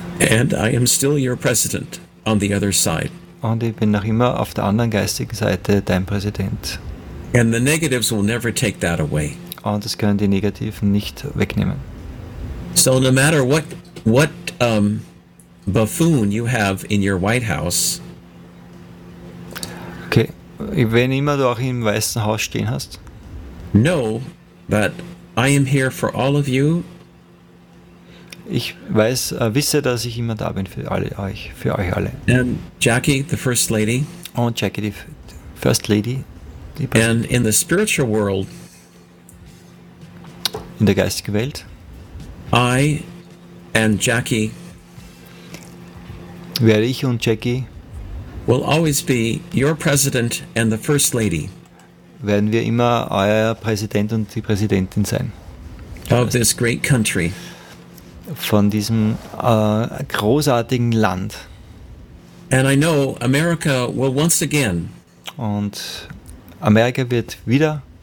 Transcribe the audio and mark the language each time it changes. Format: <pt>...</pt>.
<en>And I am still your president on the other side.</en> <de>Und ich bin noch immer auf der anderen geistigen Seite dein Präsident.</de> <en>And the negatives will never take that away.</en> <de>Und das können die Negativen nicht wegnehmen.</de> <en>So no matter what buffoon you have in your White House.</en> <de>Wenn immer du auch im Weißen Haus stehen hast.</de> <en>Know that I am here for all of you.</en> <de>Ich weiß, wisse, dass ich immer da bin für euch alle.</de> <en>And Jackie, the First Lady.</en> <de>Und Jackie, die First Lady.</de> <en>And in the spiritual world.</en> <de>In der geistigen Welt.</de> <en>I and Jackie.</en> <de>Werde ich und Jackie.</de> <en>Will always be your president and the first lady.</en> <de>Werden wir immer euer Präsident und die Präsidentin sein.</de> <en>Of this great country.</en> <de>Von diesem großartigen Land.</de> <en>And I know America will once again.</en> <de>Und Amerika wird wieder.</de>